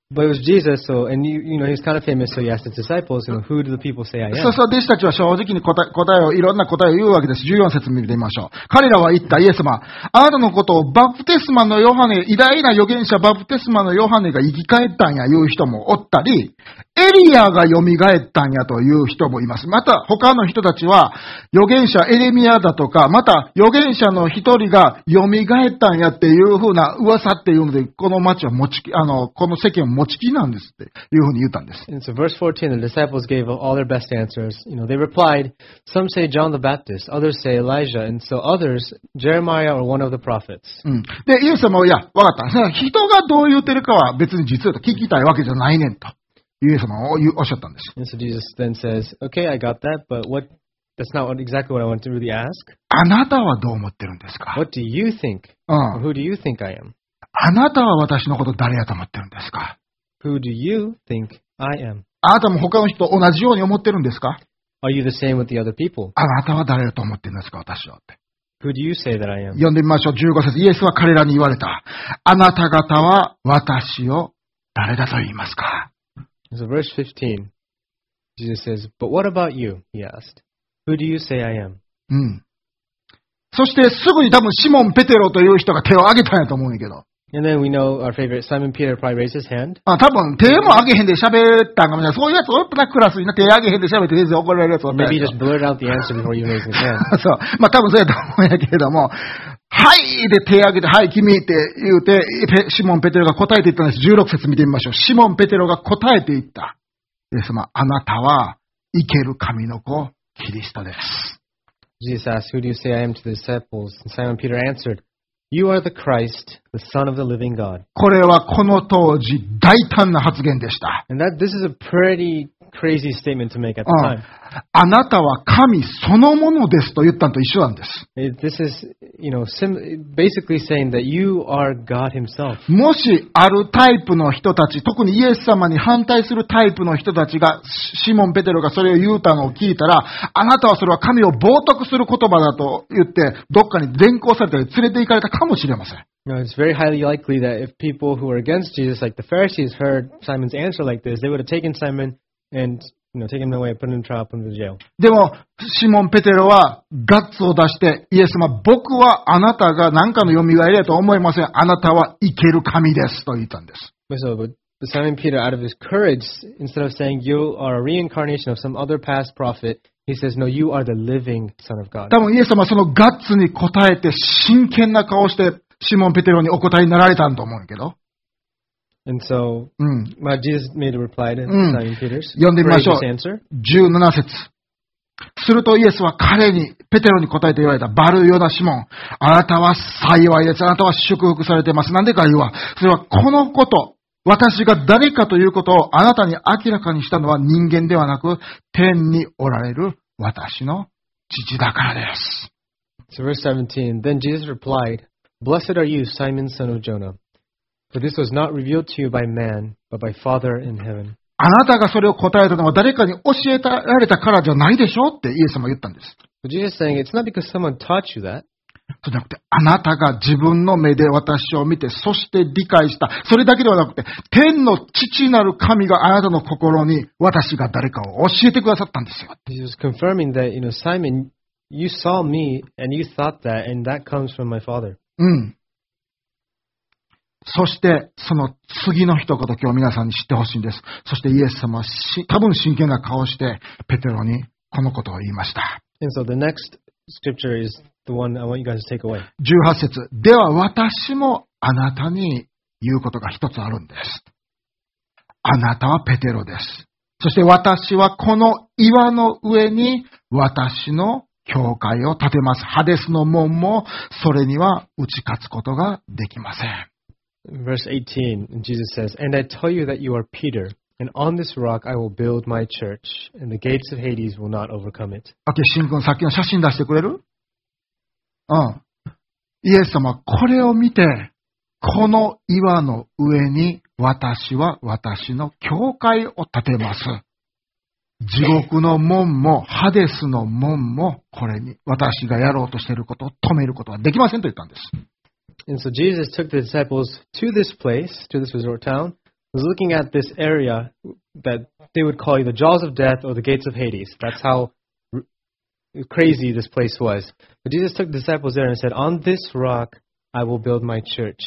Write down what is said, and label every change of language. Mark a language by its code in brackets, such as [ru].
[en] But it was Jesus, so, and you know, he's kind of famous, so he asked his disciples, you know, who do the people say I am? [ja] そうそう、弟子たちは正直に答えを、いろんな答えを言うわけです。 14節見てみましょう。彼らは言った、イエス様、あなたのことをバプテスマのヨハネ、偉大な預言者バプテスマのヨハネが生き返ったんや、いう人もおったり、エリアが蘇ったんや、という人もいます。また、他の人たちは、預言者エレミアだとか、また、預言者の一人が蘇ったんやっていうふうな噂っていうので、この町は持ち、あの、この世間を持ち気なんですっていうふうに言ったんです。 [en] And so verse 14, the disciples gave all their best answers. You know, they replied, some say John the Baptist, others say Elijah, and so others, Jeremiah or one of the prophets. [ja] うん。で、イエス様は、いや、わかった。人がどう言ってるかは別に実は聞きたいわけじゃないねんと。イエス様はおっしゃったんです。 [en] And so Jesus then says, okay, I got that, but what, that's not exactly what I wanted to really ask. [ja] あなたはどう思ってるんですか? [en] What do you think? Or who do you think I am? [ja] あなたは私のこと誰やと思ってるんですか? [en] Who do you think I am? [ja] あなたも他の人と同じように思ってるんですか? [en] Are you the same with the other people? [ja] あなたは誰だと思ってるんですか、私はって。 [en] Who do you say that I am? [ja] 読んでみましょう。 15節、イエスは彼らに言われた。あなた方は私を誰だと言いますか? [en] So verse 15, Jesus says, But what about you? He asked. Who do you say I am? [ja] うん。そしてすぐに多分シモン・ペテロという人が手を挙げたんやと思うんやけど。 [en] And then we know our favorite Simon Peter probably raised his hand. [ja] あ、多分手も挙げへんで喋ったんかもしれない。そういうやつおったな、クラスにな、手挙げへんで喋って全然怒られるやつおったんや。 [en] Maybe just blurt out the answer before you raise his hand. [ja] そう。まあ多分そうやと思うんやけども、はいで手挙げて、はい君って言うて、シモン・ペテロが答えていったんです。16節見てみましょう。シモン・ペテロが答えていった。イエス様、あなたは生ける神の子、キリストです。 [en] Jesus asked, Who do you say I am to the disciples? And Simon Peter answered, You are the Christ, the Son of the living God. [ja] これはこの当時大胆な発言でした。 [en] And that, this is a pretty crazy statement to make at the time. [ja] あなたは神そのものですと言ったのと一緒なんです。 [en] This is, you know, basically saying that you are God himself. [ja] もしあるタイプの人たち、特にイエス様に反対するタイプの人たちが、シモン・ペテロがそれを言うたのを聞いたら、あなたはそれは神を冒涜する言葉だと言って、どっかに連行されたり連れて行かれたかもしれません。 [en] No, it's very highly likely that if people who are against Jesus, like the Pharisees, heard Simon's answer like this, they would have taken Simon and, you know, taken him away, put him in trial, put him in jail. [ja] でも、シモン・ペテロはガッツを出して、イエス様、僕はあなたが何かの蘇りだと思いません。あなたは生ける神ですと言ったんです。 [en] But Simon Peter, out of his courage, instead of saying you are a reincarnation of some other past prophet, he says, no, you are the living Son of God. [ja] 多分、イエス様はそのガッツに応えて、真剣な顔して、シモン・ペテロにお答えになられたんと思うけど。 [en] And so, まあ、Jesus made a reply to Simon Peter's. [ja] 読んでみましょう。17節。するとイエスは彼に、ペテロに答えて言われた。バルヨナ・シモン。あなたは幸いです。あなたは祝福されています。なんでか言うわ。それはこのこと、私が誰かということをあなたに明らかにしたのは人間ではなく、天におられる私の父だからです。 [en] So verse 17, then Jesus replied, Blessed are you, Simon, son of Jonah. For this was not revealed to you by man, but by Father in heaven. [ja] あなたがそれを答えたのは誰かに教えられたからじゃないでしょうってイエス様は言ったんです。 [en] But Jesus saying, it's not because someone taught you that. [ja] じゃなくて、あなたが自分の目で私を見て、そして理解した。それだけではなくて、天の父なる神があなたの心に私が誰かを教えてくださったんですよ。 [en] Jesus was confirming that, you know, Simon, you saw me and you thought that, and that comes from my Father. [ja] そしてその次の一言、今日皆さんに知ってほしいんです。そしてイエス様は多分真剣な顔をしてペテロにこのことを言いました。 [en] And so the next scripture is the one I want you guys to take away. [ja] 18節、では私もあなたに言うことが一つあるんです。あなたはペテロです。そして私はこの岩の上に私の教会を建てます。ハデスの門もそれには打ち勝つことができません。 [en] Verse 18, Jesus says, And I tell you that you are Peter, and on this rock I will build my church, and the gates of Hades will not overcome it. [ja] Okay, 新君、さっきの写真出してくれる？うん。イエス様、これを見て、この岩の上に私は私の教会を建てます。地獄の門も、ハデスの門も、これに私がやろうとしていることを止めることはできませんと言ったんです。 [en] And so Jesus took the disciples to this place, to this resort town, was looking at this area that they would call either jaws of death or the gates of Hades. That's how crazy this place was. But Jesus took the disciples there and said, On this rock I will build my church.